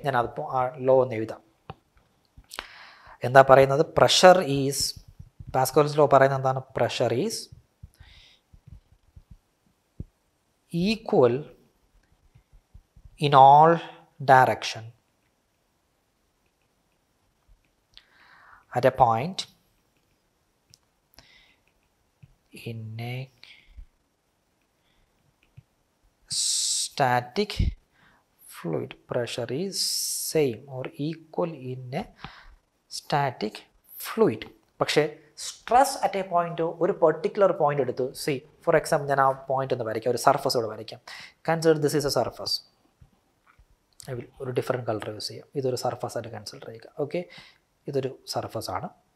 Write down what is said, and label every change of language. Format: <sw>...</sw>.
<ml>ഞാൻ അതിപ്പോൾ ആ ലോ ഒന്ന് എഴുതാം. എന്താ പറയുന്നത്,</ml> <en>pressure is Pascal's law</en> <ml>പറയുന്ന എന്താണ്,</ml> <en>Pressure is equal in all direction at a point in a static fluid. Pressure is same or equal in a static fluid.</en> <ml>പക്ഷെ</ml> <en>stress at a point,</en> <ml>ഒരു particular point എടുത്തു, C for example ഞാൻ ആ point ഒന്ന് വരയ്ക്കാം, ഒരു surface ഇവിടെ വരയ്ക്കാം.</ml> <en>consider this is a surface,</en> <ml>ഒരു ഡിഫറെൻ്റ് കളർ യൂസ് ചെയ്യാം. ഇതൊരു സർഫസ് ആയിട്ട് കൺസിഡർ ചെയ്യുക. ഓക്കെ, ഇതൊരു സർഫസ് ആണ്.</ml>